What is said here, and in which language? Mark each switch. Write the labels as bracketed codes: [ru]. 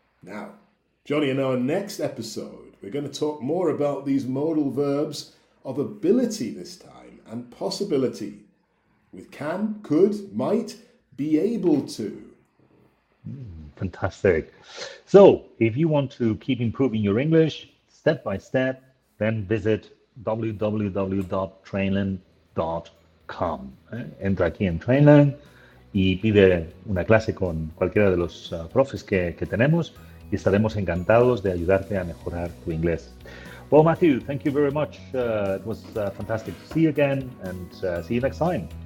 [en] Now, Johnny, in our next episode, we're going to talk more about these modal verbs of ability this time, and possibility, with can, could, might, be able to. Fantastic. So, if you want to keep improving your English step by step, then visit www.trainland.com. [es] Entra aquí en Trainland y pide una clase con cualquiera de los profes que tenemos y estaremos encantados de ayudarte a mejorar tu inglés. [en] Well, Matthew, thank you very much. It was fantastic to see you again, and see you next time.